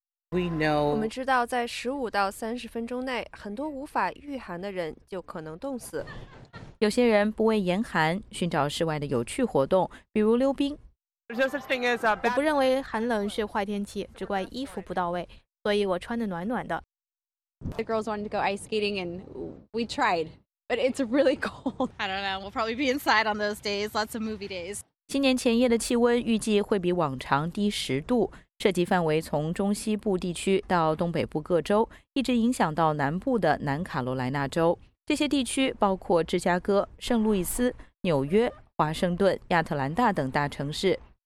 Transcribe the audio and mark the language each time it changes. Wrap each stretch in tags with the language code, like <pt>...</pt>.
<zh>我们知道，在15到30分钟内，很多无法御寒的人就可能冻死。有些人不畏严寒，寻找室外的有趣活动，比如溜冰。我不认为寒冷是坏天气，只怪衣服不到位，所以我穿得暖暖的。</zh> <en>The girls wanted to go ice skating and we tried, but it's really cold. I don't know. We'll probably be inside on those days, lots of movie days.</en> <zh>新年前夜的气温预计会比往常低10度，涉及范围从中西部地区到东北部各州，一直影响到南部的南卡罗来纳州。这些地区包括芝加哥、圣路易斯、纽约、华盛顿、亚特兰大等大城市。</zh>